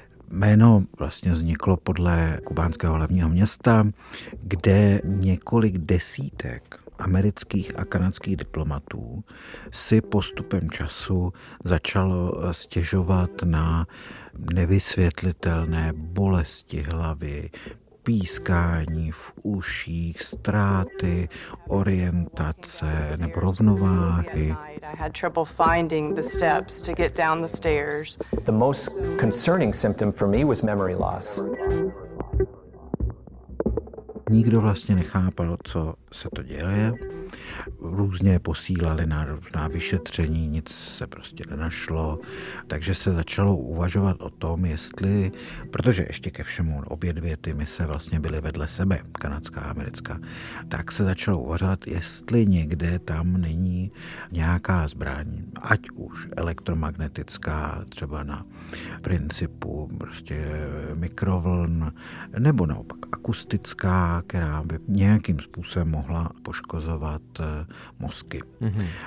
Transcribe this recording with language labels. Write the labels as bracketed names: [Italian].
[Czech] Jméno vlastně vzniklo podle kubánského hlavního města, kde několik desítek amerických a kanadských diplomatů si postupem času začalo stěžovat na nevysvětlitelné bolesti hlavy, pískání v uších, ztráty orientace nebo rovnováhy. [English] I had trouble finding the steps to get down the stairs. The most concerning symptom for me was memory loss. [Czech] Nikdo vlastně nechápal, co se to děje. Různě posílali na různá vyšetření, nic se prostě nenašlo. Takže se začalo uvažovat o tom, jestli, protože ještě ke všemu obě dvě ty mise vlastně byly vedle sebe, kanadská a americká, tak se začalo uvažovat, jestli někde tam není nějaká zbraň, ať už elektromagnetická, třeba na principu prostě mikrovln, nebo naopak akustická, která by nějakým způsobem mohla poškozovat mozky. Mm-hmm.